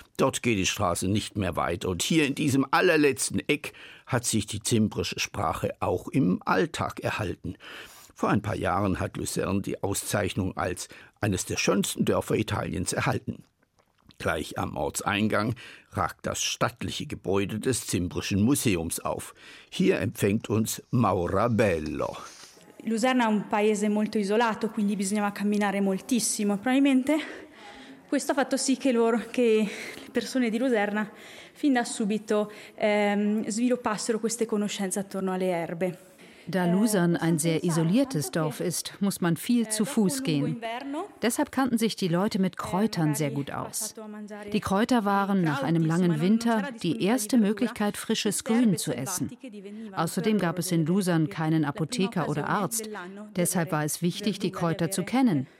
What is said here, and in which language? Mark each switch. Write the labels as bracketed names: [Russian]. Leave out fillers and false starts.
[German] Dort geht die Straße nicht mehr weit. Und hier in diesem allerletzten Eck hat sich die zimbrische Sprache auch im Alltag erhalten. Vor ein paar Jahren hat Luzern die Auszeichnung als eines der schönsten Dörfer Italiens erhalten. Gleich am Ortseingang ragt das stattliche Gebäude des Zimbrischen Museums auf. Hier empfängt uns Maura Bello. [Italian] Luzern è un paese molto isolato, quindi bisognava camminare moltissimo. Probabilmente questo ha fatto sì che le persone di Luzerna fin da subito sviluppassero queste conoscenze attorno alle erbe. [German] Da Luzern ein sehr isoliertes Dorf ist, muss man viel zu Fuß gehen. Deshalb kannten sich die Leute mit Kräutern sehr gut aus. Die Kräuter waren nach einem langen Winter die erste Möglichkeit, frisches Grün zu essen. Außerdem gab es in Luzern keinen Apotheker oder Arzt. Deshalb war es wichtig, die Kräuter zu kennen.